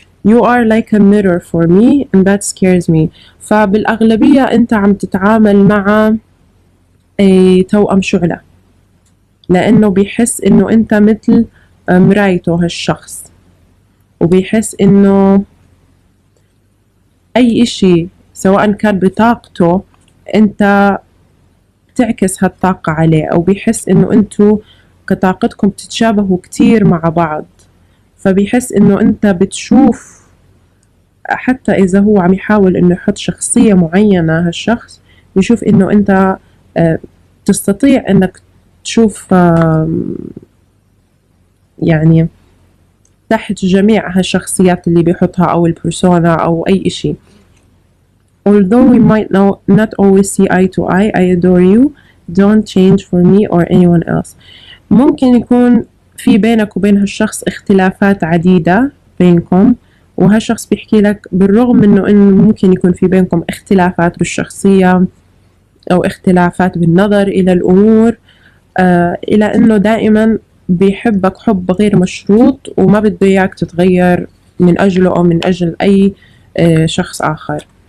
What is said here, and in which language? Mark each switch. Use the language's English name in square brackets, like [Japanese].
[English] You are like a mirror for me and that scares me، [Arabic] فبالأغلبية أنت عم تتعامل مع توأم شعله، لأنه بيحس إنه أنت مثل مرايته هالشخص، وبيحس إنه أي إشي سواء كان بطاقته أنت بتعكس هالطاقة عليه، أو بيحس إنه أنتو كطاقتكم بتتشابهوا كتير مع بعض، فبيحس إنه أنت بتشوف، حتى إذا هو عم يحاول إنه يحط شخصية معينة هالشخص، يشوف إنه أنت تستطيع إنك تشوف يعني تحت جميع هالشخصيات اللي بيحطها أو البرسونا أو أي إشي. [English] Although we might not always see eye to eye, I adore you. Don't change for me or anyone else. [Arabic] ممكن يكون في بينك وبين هالشخص اختلافات عديدة بينكم، وهالشخص بيحكي لك بالرغم من إنه ممكن يكون في بينكم اختلافات بالشخصية أو اختلافات بالنظر إلى الأمور، إلى إنه دائما بيحبك حب غير مشروط، وما بده إياك تتغير من أجله أو من أجل أي شخص آخر.